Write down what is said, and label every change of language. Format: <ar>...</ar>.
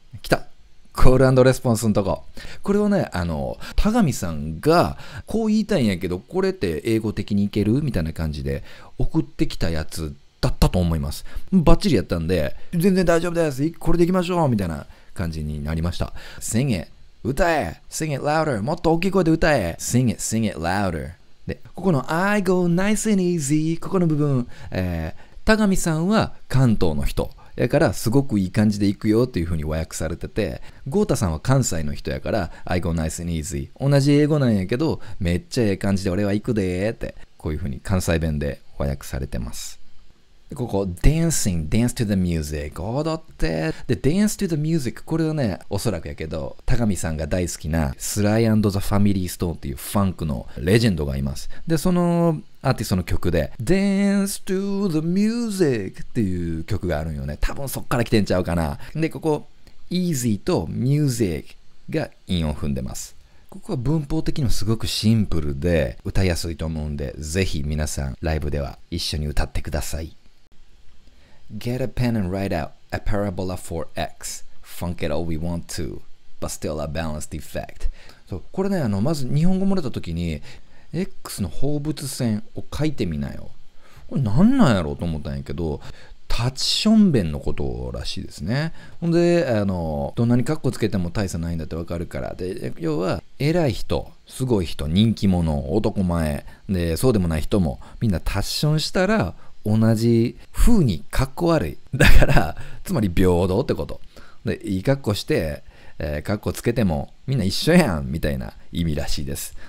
<ja>来た、コール&レスポンスのとこ。これはね、あの田上さんがこう言いたいんやけど、これって英語的にいけるみたいな感じで送ってきたやつだったと思います。バッチリやったんで、全然大丈夫です、これでいきましょうみたいな感じになりました。宣言、歌え、</ja> <en>Sing it louder、</en> <ja>もっと大きい声で歌え、</ja> <en>Sing it, sing it louder。</en> <ja>で、ここの</ja> <en>I go nice and easy、</en> <ja>ここの部分、田上さんは関東の人やから、すごくいい感じで行くよっていう風に和訳されてて、ゴータさんは関西の人やから</ja> <en>I go nice and easy、</en> <ja>同じ英語なんやけど、めっちゃええ感じで俺は行くでってこういう風に関西弁で和訳されてます。ここ</ja> <en>Dancing, dance to the music、</en> <ja>踊って、で</ja> <en>Dance to the music、</en> <ja>これはねおそらくやけど、高見さんが大好きなスライ&ザ・ファミリーストーンっていうファンクのレジェンドがいます。でそのアーティストの曲で</ja> <en>Dance to the music</en> <ja>っていう曲があるんよね。多分そっから来てんちゃうかな。でここ Easy と Music が韻を踏んでます。ここは文法的にもすごくシンプルで歌いやすいと思うんで、ぜひ皆さんライブでは一緒に歌ってください。</ja> <en>Get a pen and write out a parabola for x. Funk it all we want to, but still a balanced effect.</en> <ja>そう、これね、あのまず日本語漏れた時に x の放物線を書いてみなよ。これ何なんやろうと思ったんやけど、立ちションベンのことらしいですね。ほんで、どんなにカッコつけても大差ないんだってわかるから、で、要は偉い人、すごい人、人気者、男前で、そうでもない人もみんな立ちションしたら同じ風にカッコ悪い、だからつまり平等ってことで、いいカッコしてカッコつけてもみんな一緒やんみたいな意味らしいです。</ja>